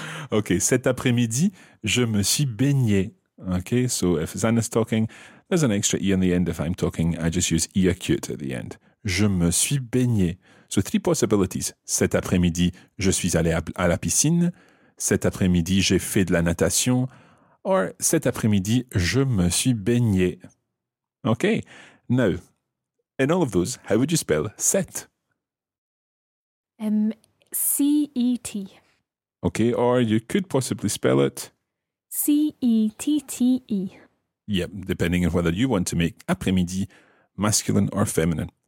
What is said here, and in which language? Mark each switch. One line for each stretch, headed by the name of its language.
French: Okay, cet après-midi, je me suis baigné.
English: Okay, so if Zana's talking, there's an extra E on the end. If I'm talking, I just use E acute at the end.
French: Je me suis baigné.
English: So three possibilities.
French: Cet après-midi, je suis allé à la piscine. Cet après-midi, j'ai fait de la natation. Or cet après-midi, je me suis baigné.
English: Okay. Now, in all of those, how would you spell cet? C-E-T. Okay, or you could possibly spell it C-E-T-T-E. Yep, depending on whether you want to make après-midi masculine or feminine.